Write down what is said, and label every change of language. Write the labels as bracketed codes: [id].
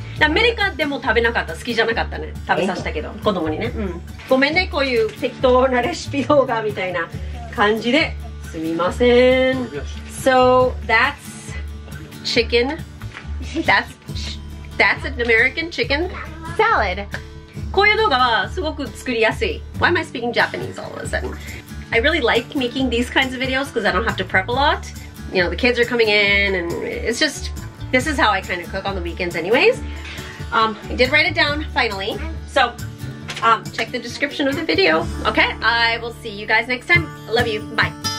[ja] アメリカでも食べなかった、好きじゃなかったね、食べさせたけど、子供にね、うん、ごめんね、こういう適当なレシピ動画みたいな感じで、すみません。 [en] So that's chicken, that's an American chicken salad。 [ja] こういう動画はすごく作りやすい。 [en] Why am I speaking Japanese all of a sudden? I really like making these kinds of videos because I don't have to prep a lot. You know, the kids are coming in and it's just, this is how I kind of cook on the weekends anyways. I did write it down finally. So, check the description of the video. Okay, I will see you guys next time. Love you, bye.